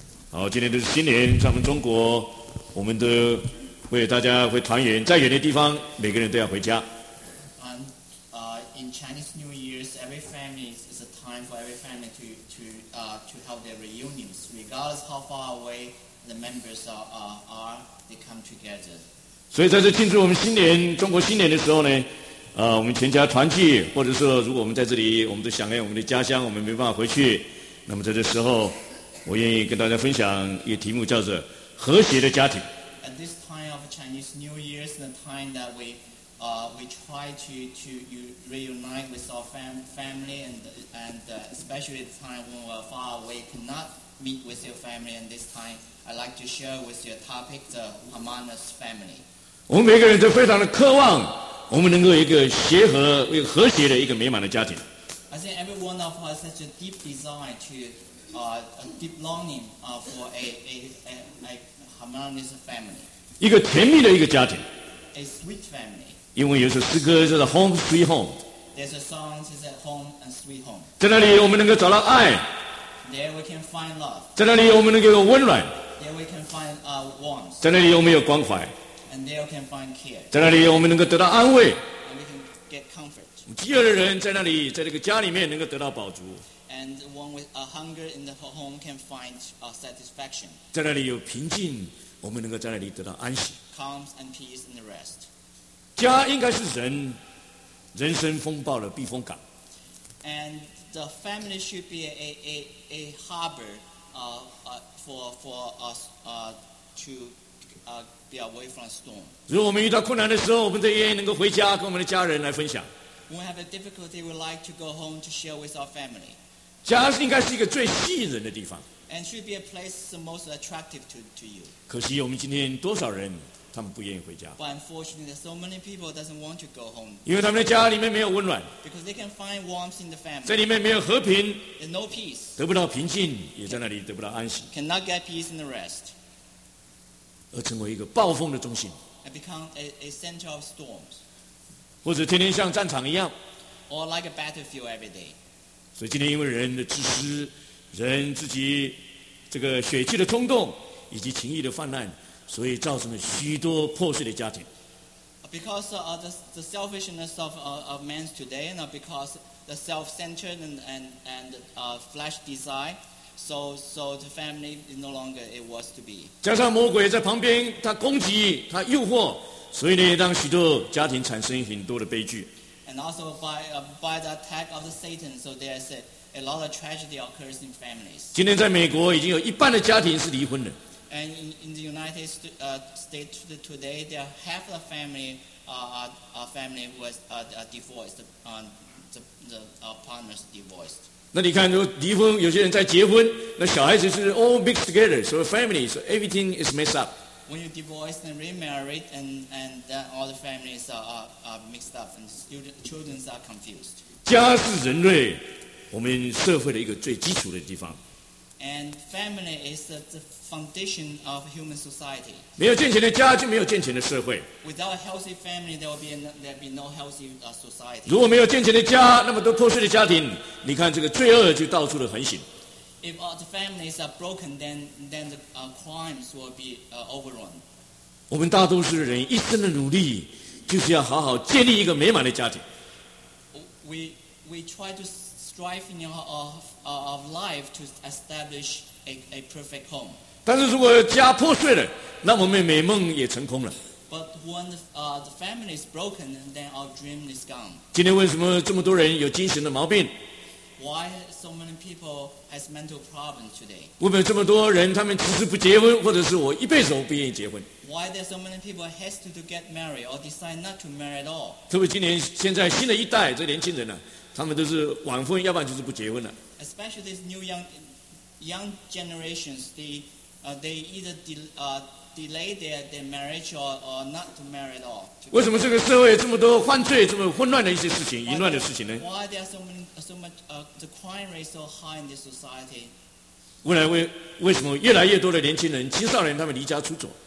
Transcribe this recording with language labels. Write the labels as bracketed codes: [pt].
[zh] 好，今天就是新年，咱们中国，我们都为大家会团圆，在远的地方，每个人都要回家。 [en] In Chinese New Year's, every family is a time for every family to have their reunions, regardless how far away the members are, they come together. [zh] 所以在这庆祝我们新年，中国新年的时候呢，我们全家团聚，或者说如果我们在这里，我们都想念我们的家乡，我们没办法回去，那么在这时候。我愿意跟大家分享一个题目，叫做“和谐的家庭”。 [en] At this time of Chinese New Year, the time that we try to reunite with our family and especially the time when we're far away cannot meet with your family. And this time, I'd like to share with your topic the harmonious family. [zh] 我们每个人都非常的渴望，我们能够有一个协和、一个和谐的一个美满的家庭。 [en] I think every one of us has such a deep desire to. A deep longing for a harmonious family. [zh] 一个甜蜜的一个家庭。 [en] A sweet family. [zh] 因为有首诗歌叫做 Home Sweet Home. [en] There's a song that says Home and Sweet Home. [zh] 在那里我们能够找到爱。 [en] There we can find love. [zh] 在那里我们能够有温暖。 [en] There we can find warmth. [zh] 在那里我们有关怀。 [en] And there we can find care. [zh] 在那里我们能够得到安慰。 [en] And we can get comfort. [zh] 饥饿的人在那里，在这个家里面能够得到饱足。 [en] And one with a hunger in the home can find satisfaction. [zh] 在那里有平静，我们能够在那里得到安息。 [en] Calm and peace and rest. [zh] 家应该是人生风暴的避风港。 [en] And the family should be a harbor for us to be away from a storm. [zh] 如果我们遇到困难的时候，我们都愿意能够回家跟我们的家人来分享。 [en] When we have a difficulty, we like to go home to share with our family. [zh] 家应该是一个最吸引人的地方。 [en] And should be a place the most attractive to you. [zh] 可惜我们今天多少人，他们不愿意回家。 [en] But unfortunately, so many people doesn't want to go home. [zh] 因为他们的家里面没有温暖。 [en] Because they can find warmth in the family. [zh] 在里面没有和平。 [en] There's no peace. [zh] 得不到平静，也在那里得不到安息。 [en] Cannot get peace and rest. [zh] 而成为一个暴风的中心。 [en] And become a center of storms. [zh] 或者天天像战场一样。 [en] Or like a battlefield every day. [zh] 所以今天因为人的自私，人自己这个血气的冲动以及情欲的泛滥，所以造成了许多破碎的家庭。 [en] Because the selfishness of men today, and because the self-centered and flesh desire, so the family is no longer it was to be. [zh] 加上魔鬼在旁边，他攻击，他诱惑，所以呢，让许多家庭产生很多的悲剧。 [en] And also by the attack of the Satan, so there's a lot of tragedy occurs in families. [zh] 今天在美国已经有一半的家庭是离婚的。 [en] And in the United States today, there are half the family was divorced, the partners divorced. [zh] 那你看，如果离婚，有些人在结婚，那小孩子是 [en] all mixed together, so family, so everything is messed up. When you divorce and remarried, and all the families are mixed up, and children are confused. [zh] 家是人类我们社会的一个最基础的地方。 [en] And family is the foundation of human society. [zh] 没有健全的家就没有健全的社会。 [en] Without a healthy family, there will be no healthy society. [zh] 如果没有健全的家，那么多破碎的家庭，你看这个罪恶就到处的横行。 [en] If all the families are broken, then the crimes will be overrun. [zh] 我们大多数人一生的努力就是要好好建立一个美满的家庭。 [en] We try to strive in our life to establish a perfect home. [zh] 但是如果家破碎了，那我们美梦也成空了。 [en] But when the family is broken, then our dream is gone. [zh] 今天为什么这么多人有精神的毛病？ [en] Why so many people has mental problems today? [zh] 为什么这么多人他们迟迟不结婚，或者是我一辈子我不愿意结婚 [en] ？Why there so many people has to get married or decide not to marry at all? [zh] 特别今年现在新的一代这年轻人呢、啊，他们都是晚婚，要不然就是不结婚了。 [en] Especially these new young generations, they either delay their marriage or not to marry at all. [zh] 为什么这个社会这么多犯罪、这么混乱的一些事情、淫乱的事情呢 [en] ？Why there are so much the crime rate so high in this society? [zh] 未来为什么越来越多的年轻人、青少年他们离家出走